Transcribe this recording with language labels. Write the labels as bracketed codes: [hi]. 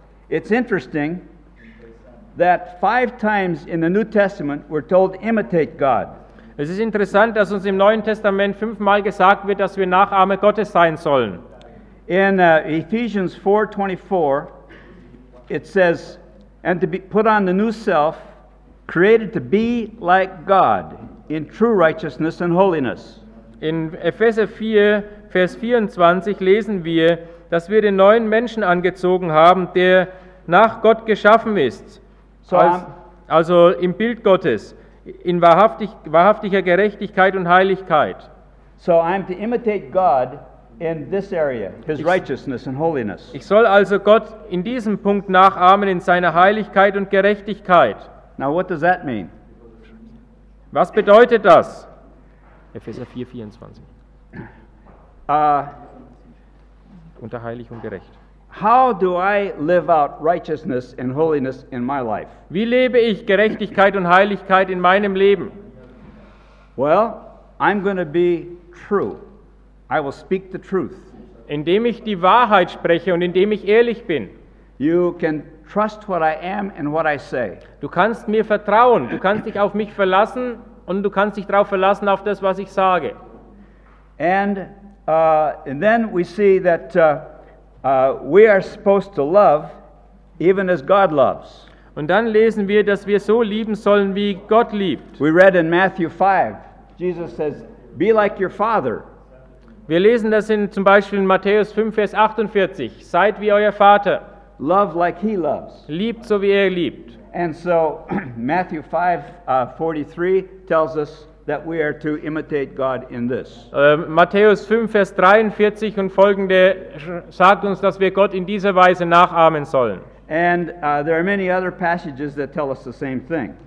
[en] It's interesting that five times in the New Testament we're told imitate God. [de] Es ist interessant, dass uns im Neuen Testament fünfmal gesagt wird, dass wir Nachahmer Gottes sein sollen. [en] In Ephesians 4:24 it says and to be put on the new self created to be like God in true righteousness and holiness. [de] In Epheser 4 Vers 24 lesen wir, dass wir den neuen Menschen angezogen haben, der nach Gott geschaffen ist, also im Bild Gottes, in wahrhaftiger Gerechtigkeit und Heiligkeit. [en] So I'm to imitate God in this area, his righteousness and holiness. [de] Ich soll also Gott in diesem Punkt nachahmen in seiner Heiligkeit und Gerechtigkeit. [en] Now what does that mean? [de] Was bedeutet das? Epheser 4:24. Unter heilig und gerecht. [en] How do I live out righteousness and holiness in my life? [de] Wie lebe ich Gerechtigkeit und Heiligkeit in meinem Leben? [en] Well, I'm going to be true. I will speak the truth. [de] Indem ich die Wahrheit spreche und indem ich ehrlich bin. [en] You can trust what I am and what I say. [de] Du kannst mir vertrauen. Du kannst dich auf mich verlassen und du kannst dich darauf verlassen auf das, was ich sage. [en] And then we see that we are supposed to love, even as God loves. [de] Und dann lesen wir, dass wir so lieben sollen, wie Gott liebt. [en] We read in Matthew 5, Jesus says, "Be like your father." [de] Wir lesen das in zum Beispiel in Matthäus 5, Vers 48: "Seid wie euer Vater." [en] Love like he loves. [de] Liebt so wie er liebt. [en] And so Matthew 5:43 tells us that we are to imitate God in this. [de] Matthäus 5 Vers 43 und folgende sagt uns, dass wir Gott in dieser Weise nachahmen sollen. [en] And there are many other passages that tell us the same thing.